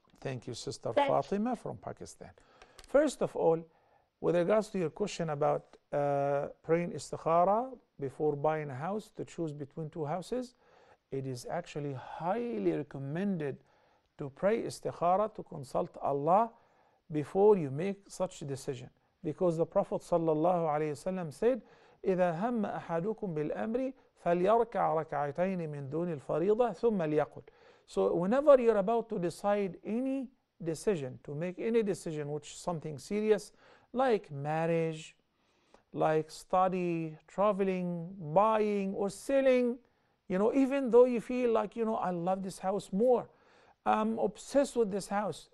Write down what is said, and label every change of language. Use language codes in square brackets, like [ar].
[en] Thank you, Sister Fatima from Pakistan. First of all, with regards to your question about praying istikhara before buying a house to choose between two houses, it is actually highly recommended to pray istikhara, to consult Allah before you make such a decision. Because the Prophet sallallahu alayhi wasallam said, [ar] إِذَا هَمَّ أَحَدُكُمْ بِالْأَمْرِ فَلْيَرْكَعْ رَكَعَتَيْنِ مِنْ دُونِ الْفَرِيضَةِ ثُمَّ لْيَقُلْ. [en] So whenever you're about to decide any decision, to make any decision which is something serious, like marriage, like study, traveling, buying or selling, you know, even though you feel like, you know, I love this house more, I'm obsessed with this house.